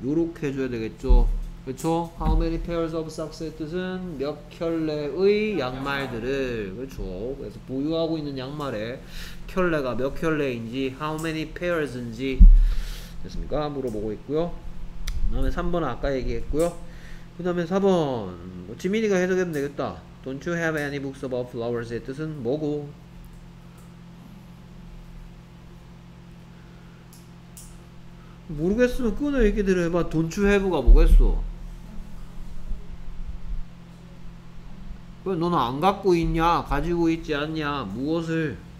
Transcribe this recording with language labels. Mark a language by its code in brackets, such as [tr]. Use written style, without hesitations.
[ko] 요렇게 해줘야 되겠죠. 그렇죠? [en] How many pairs of socks [ko] 의 뜻은 몇 켤레의 양말들을. 그렇죠. 그래서 보유하고 있는 양말에 켤레가 몇 켤레인지 [en] How many pairs [ko] 인지 됐습니까? 물어보고 있고요. 그 다음에 3번 아까 얘기했고요. 그 다음에 4번 뭐 지민이가 해석하면 되겠다. [en] Don't you have any books about flowers?의 [ko] 뜻은 뭐고? 모르겠으면 끊어 얘기대로 해봐. [en] Don't you have [ko] 가 뭐겠어? 왜 너는 안 갖고 있냐? 가지고 있지 않냐? 무엇을?